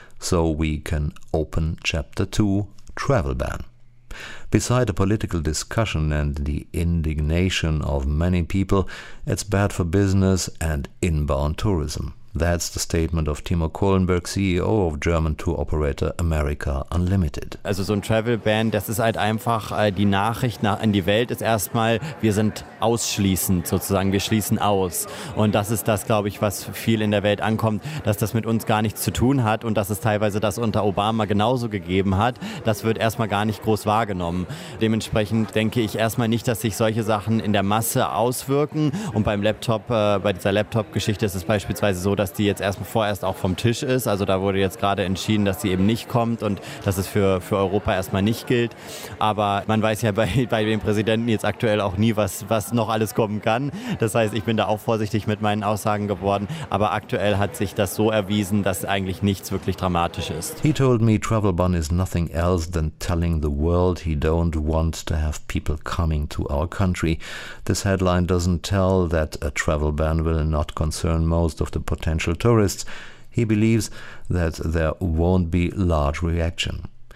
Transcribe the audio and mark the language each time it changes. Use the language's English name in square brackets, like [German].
[English] So we can open chapter 2, travel ban. Beside the political discussion and the indignation of many people, it's bad for business and inbound tourism. That's the statement of Timo Kohlenberg, CEO of German tour operator America Unlimited. [German] Also so ein Travel Ban, das ist halt einfach die Nachricht an die Welt ist erstmal, wir sind ausschließend sozusagen, wir schließen aus. Und das ist das, glaube ich, was viel in der Welt ankommt, dass das mit uns gar nichts zu tun hat und dass es teilweise das unter Obama genauso gegeben hat, das wird erstmal gar nicht groß wahrgenommen. Dementsprechend denke ich erstmal nicht, dass sich solche Sachen in der Masse auswirken. Und beim Laptop, bei dieser Laptop-Geschichte ist es beispielsweise so, dass die jetzt erstmal vorerst auch vom Tisch ist. Also da wurde jetzt gerade entschieden, dass sie eben nicht kommt und dass es für Europa erstmal nicht gilt. Aber man weiß ja bei dem Präsidenten jetzt aktuell auch nie, was noch alles kommen kann. Das heißt, ich bin da auch vorsichtig mit meinen Aussagen geworden. Aber aktuell hat sich das so erwiesen, dass eigentlich nichts wirklich dramatisch ist. [English] He told me travel ban is nothing else than telling the world he don't want to have people coming to our country. This headline doesn't tell that a travel ban will not concern most of the potential tourists. He believes that there won't be large reaction.